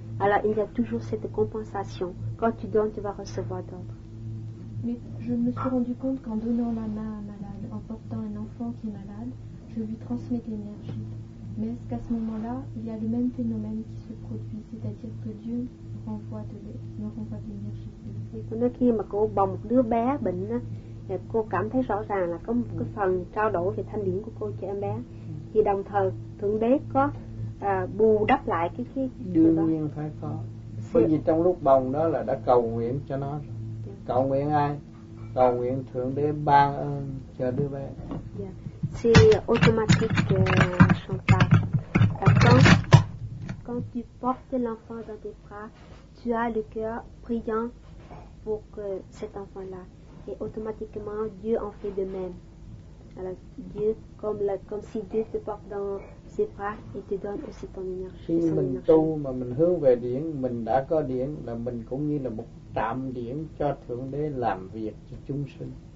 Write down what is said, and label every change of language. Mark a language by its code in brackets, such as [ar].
[fr] Alors, il y a toujours cette compensation. Quand tu donnes, tu vas recevoir d'autres. Mais je me suis rendu compte qu'en donnant la main à un malade, en portant un enfant qui est malade, je lui transmets l'énergie. Mais est-ce qu'à ce moment-là, il y a le même phénomène qui se produit, c'est-à-dire que Dieu me renvoie de l'énergie? [vi] Thì cô nói khi mà cô bồng một đứa bé bệnh á, thì cô cảm thấy rõ ràng là có một cái phần trao đổi về thanh điển của cô cho em bé, thì đồng thời Thượng Đế có bù đắp lại cái đương nhiên phải có, bởi vì trong lúc bồng đó là đã cầu nguyện cho nó. Cầu nguyện ai? Cầu nguyện Thượng Đế ban ơn cho đứa bé. [fr] C'est automatique, Chantal. Quand tu portes l'enfant dans tes bras, tu as le cœur brillant pour que cet enfant-là, et automatiquement Dieu en fait de même. Alors Dieu, comme si Dieu te porte dans ses bras et te donne aussi ton énergie. [vi] Khi mình tu mà mình hướng về điển, mình đã có điển là mình cũng như là một trạm điển cho Thượng Đế làm việc cho chúng sinh.